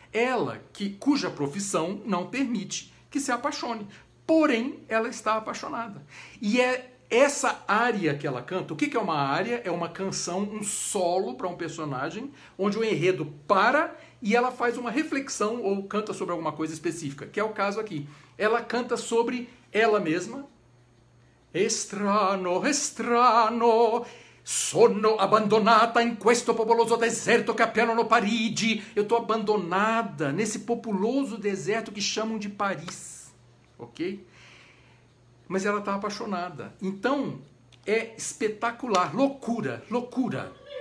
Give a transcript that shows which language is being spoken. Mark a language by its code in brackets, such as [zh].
[pt] Ela, cuja profissão não permite que se apaixone, porém, ela está apaixonada. E é essa ária que ela canta, o que é uma ária? É uma canção, um solo para um personagem, onde o enredo para e ela faz uma reflexão ou canta sobre alguma coisa específica, que é o caso aqui. Ela canta sobre ela mesma. [it] Estrano, estrano, sono abbandonata in questo populoso deserto che chiamano Parigi. [pt] Eu estou abandonada nesse populoso deserto que chamam de Paris, ok? Mas ela está apaixonada. Então, é espetacular. Loucura, loucura.